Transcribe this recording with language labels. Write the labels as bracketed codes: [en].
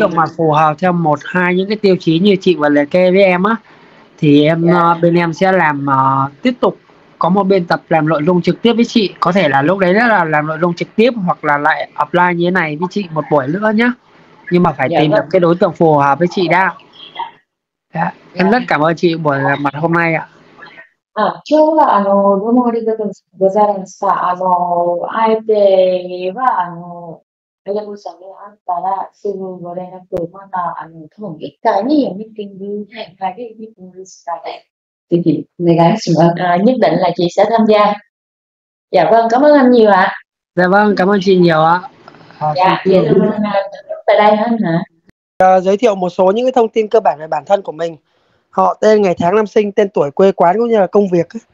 [vi] tượng mà phù hợp theo một hai những cái tiêu chí như chị vừa liệt kê với em á, thì em bên em sẽ làm tiếp tục có một biên tập làm nội dung trực tiếp với chị. Có thể là lúc đấy là làm nội dung trực tiếp hoặc là lại offline như thế này với chị một buổi nữa nhá. Nhưng mà phải Dạ tìm được cái đối tượng phù hợp với chị đã. Dạ. Em rất Dạ cảm ơn chị buổi mặt hôm nay ạ. [ja] À,今日は、どうもありがとうございました。相手には、親御さんに会ったら、すぐご連絡、また、多分1回にミーティングで、会議ミーティングしたので、ぜひ、お願いします。 [vi] nhất định là chị sẽ tham gia. Dạ vâng, cảm ơn anh nhiều ạ. Dạ vâng, cảm ơn chị nhiều ạ. Dạ, chị tại đây hơn hả? Giới thiệu một số những cái thông tin cơ bản về bản thân của mình. Họ tên, ngày tháng năm sinh, tên tuổi, quê quán cũng như là công việc.